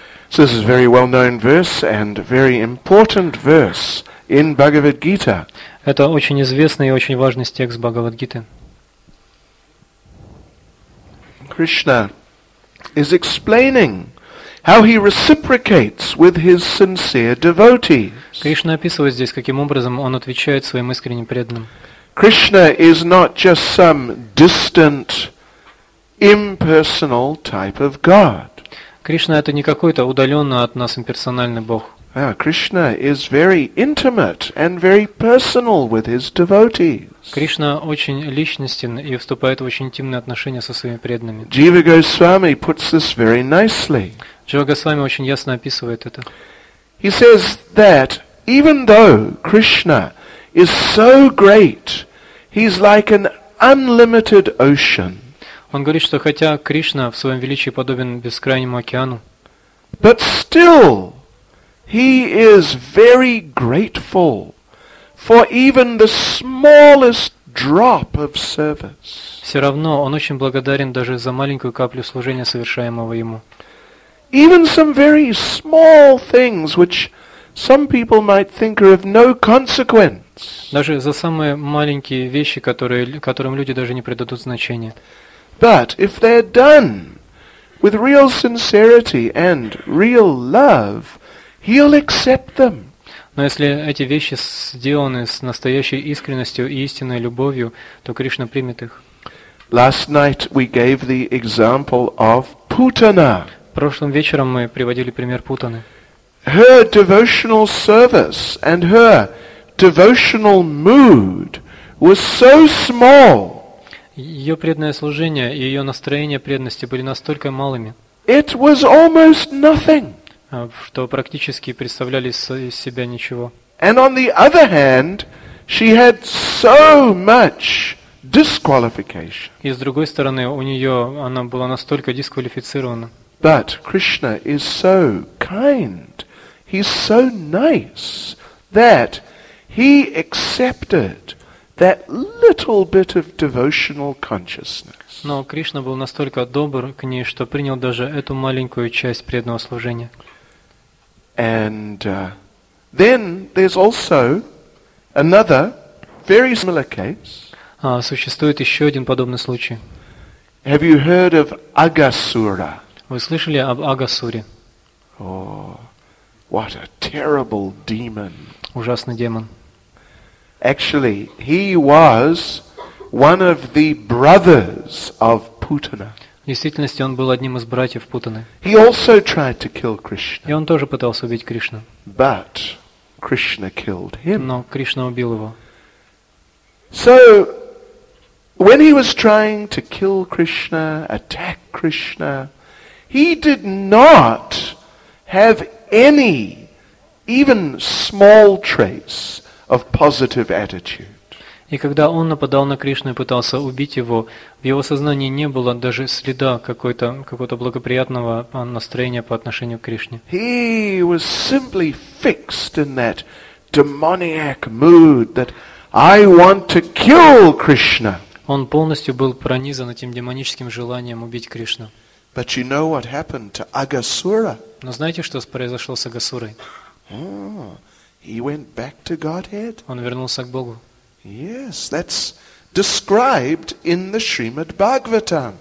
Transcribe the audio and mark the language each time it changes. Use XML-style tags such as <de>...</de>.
<en>So this is a very well-known verse and a very important verse in Bhagavad Gita.</en> <ru>Это очень известный и очень важный стих из Бхагавад Гиты.</ru> <en>Krishna is explaining how he reciprocates with his sincere devotees.</en> <ru>Кришна описывает здесь, каким образом он отвечает своим искренним преданным.</ru> <en>Krishna is not just some distant, impersonal type of God.</en> <ru>Кришна это не какой-то удаленно от нас имперсональный Бог.</ru> <en>Krishna is very intimate and very personal with his devotees.</en> <ru>Кришна очень личностен и вступает в очень интимные отношения со своими преданными.</ru> <en>Jiva Goswami puts this very nicely.</en> <ru>Jiva Goswami очень ясно описывает это.</ru> <en>He says that even though Krishna is so great, he's like an unlimited ocean.</en> <ru>Он говорит, что хотя Кришна в своем величии подобен бескрайнему океану,</ru> <en>but still, he is very grateful for even the smallest drop of service.</en> <ru>Все равно он очень благодарен даже за маленькую каплю служения, совершаемого ему.</ru> <en>Even some very small things, which some people might think are of no consequence.</en> <ru>Даже за самые маленькие вещи, которые, которым люди даже не придадут значения.</ru> <en>But if they're done with real sincerity and real love, he'll accept them.</en> <ru>Но если эти вещи сделаны с настоящей искренностью и истинной любовью, то Кришна примет их.</ru> <en>Last night we gave the example of Putana.</en> <ru>Прошлым вечером мы приводили пример Путаны.</ru> <en>Her devotional service and her devotional mood was so small.</en> <ru>Её преданное служение и её настроение преданности были настолько малыми.</ru> <en>It was almost nothing.</en> <ru>Что практически представляли из себя ничего.</ru> <en>And on the other hand, she had so much disqualification.</en> <ru>И с другой стороны, у нее она была настолько дисквалифицирована.</ru> <en>But Krishna is so kind, he's so nice that he accepted that little bit of devotional consciousness.</en> <ru>Но Кришна был настолько добр к ней, что принял даже эту маленькую часть преданного служения.</ru> <en>And then there's also another very similar case.</en> <ru>Существует еще один подобный случай.</ru> <en>Have you heard of Агасура?</en> <ru>Вы слышали об Агасуре?</ru> <en>Oh, what a terrible demon.</en> <ru>Ужасный демон.</ru> <en>Actually, he was one of the brothers of Путана.</en> <ru>В действительности, он был одним из братьев Путаны.</ru> <en>He also tried to kill Krishna.</en> <ru>И он тоже пытался убить Кришну.</ru> <en>But Krishna killed him.</en> <ru>Но Кришна убил его.</ru> <en>So, when he was trying to kill Krishna, attack Krishna, he did not have any, even small trace of positive attitude.</en> <ru>И когда он нападал на Кришну и пытался убить его, в его сознании не было даже следа какого-то благоприятного настроения по отношению к Кришне.</ru> <en>He was simply fixed in that demoniac mood that I want to kill Krishna.</en> <ru>Он полностью был пронизан этим демоническим желанием убить Кришну.</ru> <en>But you know what happened to Agasura?</en> <ru>Но знаете, что произошло с Агасурой?</ru> <en>He went back to Godhead.</en> <ru>Он вернулся к Богу.</ru> <en>Yes, that's described in the Srimad Bhagavatam.</en>